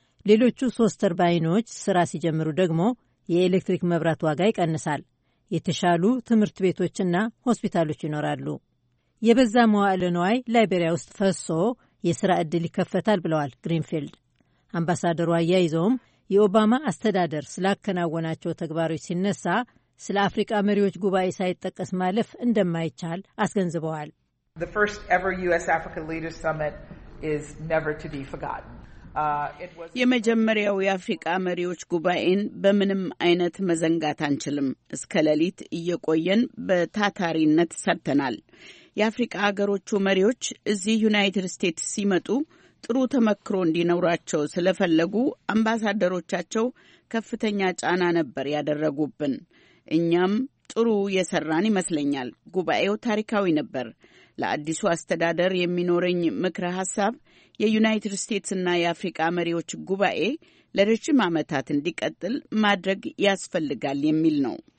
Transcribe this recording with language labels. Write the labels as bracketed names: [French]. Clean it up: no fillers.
[Amharic] ሌሎቹ 3 ተርባይኖች ስራ ሲጀምሩ ደግሞ የኤሌክትሪክ መብራት ዋጋ ይቀንሳል። የተሻሉ ትምህርት ቤቶችና ሆስፒታሎች ይኖራሉ። የበዛ መዋዕለ ንዋይ ላይቤሪያ ውስጥ ፈሶ የስራ ዕድል ይከፈታል ብለዋል ግሪንፊልድ። አምባሳደሯ አያይዘውም የኦባማ አስተዳደር ስላከናወናቸው ተግባሮች ሲነሳ ስለ አፍሪካ መሪዎች ጉባኤ ሳይጠቀስ ማለፍ እንደማይቻል አስገንዝበዋል። [English] The first ever US Africa Leaders Summit is never to be forgotten. [Amharic] የመጀመሪያው የአፍሪካ መሪዎች ጉባኤን በምንም አይነት መዘንጋት አንችልም። እስከ ለሊት እየቆየን በታታሪነት ሰርተናል። የአፍሪካ አገሮቹ መሪዎች እዚህ ዩናይትድ ስቴትስ ሲመጡ ጥሩ ተመክሮ እንዲኖራቸው ስለፈለጉ አምባሳደሮቻቸው ከፍተኛ ጫና ነበር ያደረጉብን። እኛም ጥሩ የሰራን ይመስለኛል። ጉባኤው ታሪካዊ ነበር። ለአዲሱ አስተዳደር የሚኖረኝ ምክረ ሐሳብ የዩናይትድ ስቴትስና የአፍሪካ መሪዎች ጉባኤ ለረጅም ዓመታት እንዲቀጥል ማድረግ ያስፈልጋል የሚል ነው።